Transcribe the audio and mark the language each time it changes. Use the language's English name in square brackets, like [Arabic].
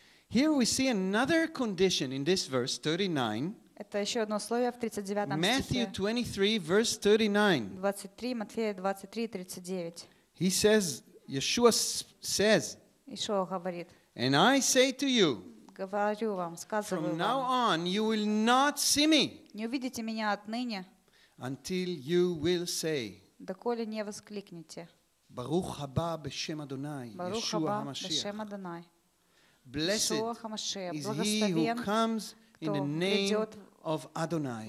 [English] Here we see another condition in this verse 39. [Russian] Это еще одно условие в 39 стихе. [English] Matthew 23, verse 39. [Russian] 23, Матфея 23:39. [English] He says, Yeshua says. [Russian] Иешуа говорит. [English] And I say to you. [Russian] говорю вам, сказываю [English] вам. From now on, you will not see me. [Russian] Не увидите меня отныне. [English] Until you will say. [Russian] Доколе не воскликнете. [Hebrew] Барух хаба бешем Адонай, Иешуа ха-Машиах. [English] Blessed is he who comes in the name of Adonai.